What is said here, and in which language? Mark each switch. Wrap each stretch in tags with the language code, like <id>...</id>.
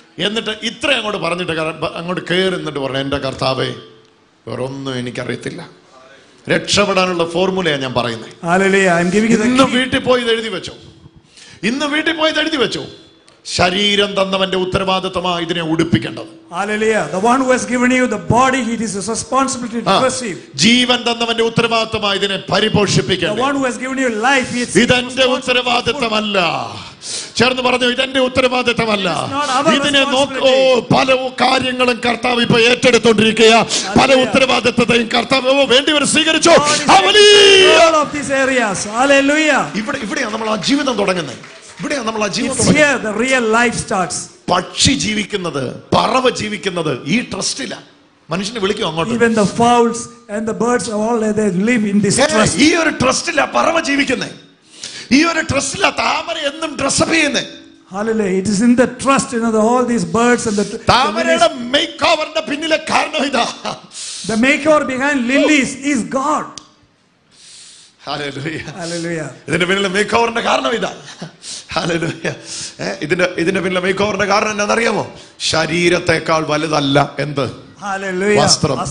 <ml>എന്നിട്ട് ഇത്ര അങ്ങോട്ട് പറഞ്ഞിട്ട് അങ്ങോട്ട് കേറുന്നിട്ട് പറഞ്ഞു, എന്റെ കർത്താവേ, വേറൊന്നും എനിക്കറിയത്തില്ല. രക്ഷപ്പെടാനുള്ള ഫോർമുലയാണ് ഞാൻ പറയുന്നത്. ഇന്ന് വീട്ടിൽ പോയി ഇത് എഴുതി വെച്ചോ. ഇന്ന് വീട്ടിൽ പോയി തഴുതി വെച്ചു. ശരീരം തന്നവന്റെ ഉത്തരവാദിത്തമാണ് ഇതിനെ ഉടുപ്പിക്കേണ്ടത്.</ml> <en>Hallelujah. The one who has given you the body, it is a responsibility to receive.</en> <ml>ജീവൻ തന്നവന്റെ ഉത്തരവാദിത്തമാണ് ഇതിനെ പരിപോഷിപ്പിക്കേണ്ടത്.</ml> <en>The one who has given you life, it's</en> <ml>ഇതിന്റെ ഉത്തരവാദിത്തമല്ല. ചേർന്ന് പറഞ്ഞു, ഇതെന്റെ ഉത്തരവാദിത്തമല്ല. ഇതിനെ നോക്കോ, പല കാര്യങ്ങളും കർത്താവ് ഇപ്പൊ ഏറ്റെടുത്തോണ്ടിരിക്കുക. പല ഉത്തരവാദിത്തത്തെയും കർത്താവ് വേണ്ടിവരും സ്വീകരിച്ചു. ഇവിടെയാണ് നമ്മൾ ആ ജീവിതം തുടങ്ങുന്നത്. ഇവിടെയാണ് നമ്മൾ ആ ജീവിതം. പക്ഷി ജീവിക്കുന്നത്, പറവ ജീവിക്കുന്നത് ഈ ട്രസ്റ്റില. മനുഷ്യനെ വിളിക്കും അങ്ങോട്ട്.</ml> <en>Even the fowls and the birds are all there, they live in this trust.</en> <ml>ഈ ഒരു ട്രസ്റ്റില പറവ ജീവിക്കുന്നത്. ഈ ഒരു ട്രസ്റ്റില താമര എന്നും ഡ്രസ്അപ്പ് ചെയ്യുന്നത്.</ml> <en>Hallelujah. It is in the trust, you know, the, all these birds and the</en> <ml>താമരയുടെ മേക്കോവറിന്റെ പിന്നിലെ കാരണം ഇതാ.</ml> <en>The makeover behind lilies is God.</en> <ml>ഇതിന്റെ പിന്നിലെ മേക്കോവറിന്റെ കാരണം എന്താണെന്ന് അറിയാമോ? ശരീരത്തെക്കാൾ വലുതല്ല എന്ത്? വസ്ത്രം.</ml>